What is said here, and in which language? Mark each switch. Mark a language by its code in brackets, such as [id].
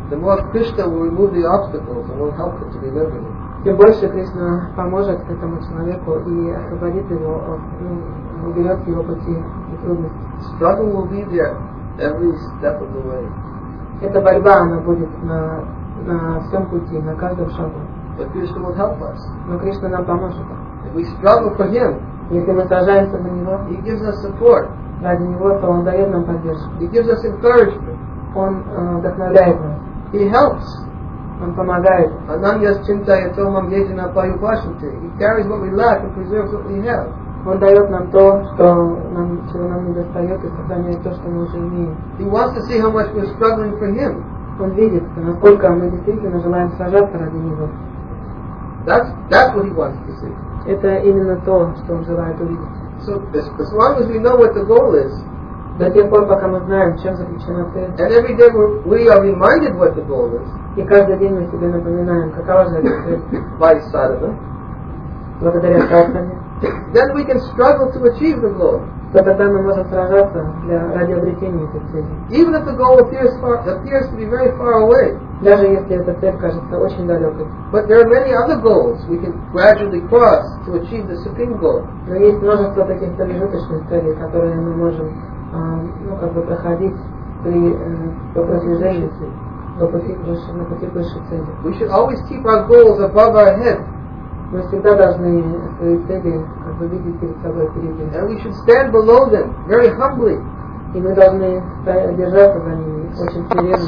[en] The more Krishna will remove the obstacles and will help him to remember him. [ru] Тем больше Кришна поможет этому человеку и освободит его от уберет его пути и трудности. [en] Struggle will be there every step of the way. [ru] Эта борьба она будет на всем пути, на каждом шагу. [en] But Krishna will help us. [ru] Но Кришна нам поможет. [en] If we struggle for him, [ru] если мы сражаемся за него, [en] he gives us support. [ru] Ради него, то он дает нам поддержку. [en] He gives us encouragement. [ru] Он вдохновляет нас. [en] He helps. [ru] Он помогает. [sa] Ананьяс чинтая томам еджина паю пашуте. [en] He carries what we lack and preserves what we have. [ru] Он дает нам то, что нам, чего нам не достает, и сохраняет то, что мы уже имеем. [en] He wants to see how much we're struggling for him. [ru] Он видит, насколько мы действительно желаем сражаться ради него. [en] That's what he wants to see. [ru] Это именно то, что он желает увидеть. [en] So, as long as we know what the goal is, [ru] до тех пор, пока мы знаем, чем заключена цель, [en] and every day we are reminded what the goal is, [ru] и каждый день мы себе напоминаем, какова же эта цель, [en] by sadhana, [ru] благодаря садхане, [en] then we can struggle to achieve the goal. [ru] То тогда мы можем сражаться для, ради обретения этой цели. [en] Even if the goal appears to be very far away. [ru] Даже если эта цель кажется очень далекой. [en] But there are many other goals we can gradually cross to achieve the supreme goal. [ru] Но есть множество таких промежуточных целей, которые мы можем проходить при продвижении на пути к высшей цели. [en] We should always keep our goals above our head. [ru] Мы всегда должны свои цели видеть перед собой впереди. [en] And we should stand below them very humbly. [ru] И мы должны держаться за ними очень смиренно.